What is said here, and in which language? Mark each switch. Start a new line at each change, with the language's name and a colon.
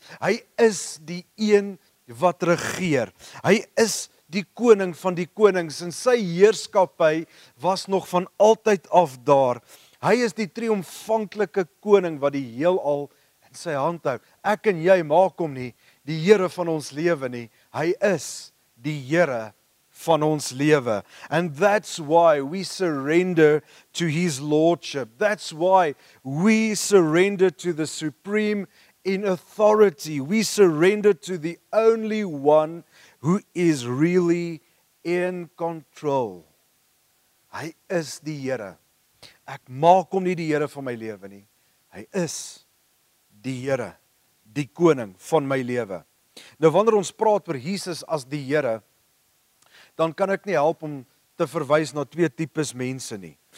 Afrikaans: Hy is die een wat regeer. Hy is die koning van die konings en sy heerskappy was nog van altyd af daar. Hy is die triomfantelike koning wat die heelal in sy hand hou. Ek en jy maak hom nie die Here van ons lewe nie. Hy is die Here van ons lewe.
English: And that's why we surrender to his lordship. That's why we surrender to the supreme in authority. We surrender to the only one who is really in control.
Afrikaans: Hy is die Here. Ek maak hom nie die Here van my lewe nie. Hy is die Here, die koning van my lewe. Nou wanneer ons praat oor Jesus as die Here, dan kan ek nie help om te verwys na twee tipes mense nie.